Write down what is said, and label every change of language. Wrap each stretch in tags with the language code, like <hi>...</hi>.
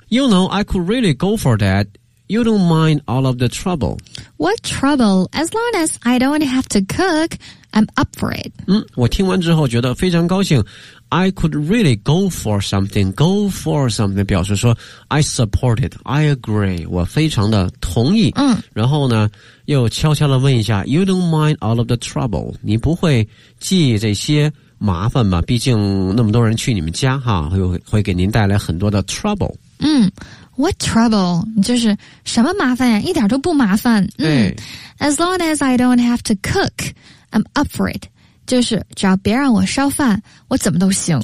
<en>You know, I could really go for that. You don't mind all of the trouble. What trouble? As long as I don't have to cook, I'm up for it.</en> <zh>我听完之后觉得非常高兴。</zh> <en>I could really go for something. Go for something</en> <zh>表示说</zh> <en>I support it. I agree.</en> <zh>我非常的同意。然后呢又悄悄地问一下</zh> <en>You don't mind all of the trouble.</en> <zh>你不会记这些麻烦吧，毕竟那么多人去你们家哈，会给您带来很多的 trouble.</zh> <en>What trouble?</en> <zh>就是什么麻烦呀，一点都不麻烦。</zh> <en>As long as I don't have to cook, I'm up for it.</en> <zh>就是只要别让我烧饭，我怎么都行。</zh>